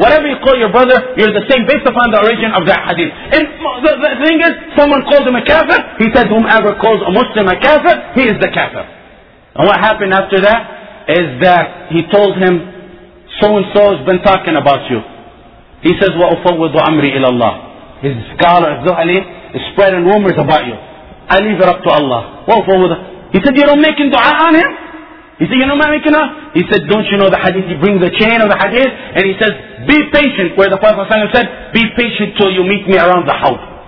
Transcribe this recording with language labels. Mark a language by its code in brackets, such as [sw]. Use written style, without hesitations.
[en] Whatever you call your brother, you're the same based upon the origin of that hadith. And the thing is, someone calls him a kafir, he said, whomever calls a Muslim a kafir, he is the kafir. And what happened after that is that he told him, so-and-so has been talking about you. He says, [ar] وَأُفَوِّضُ أَمْرِي إِلَى اللَّهِ. [en] His scholar, Zuhali, is spreading rumors about you. I leave it up to Allah. [ar] وَأُفَوِّضُ. [en] He said, you don't make dua on him? He said, you know what I'm making up? He said, don't you know the hadith? He brings the chain of the hadith, and he says, be patient, where the Prophet ﷺ said, be patient till you meet me around the house.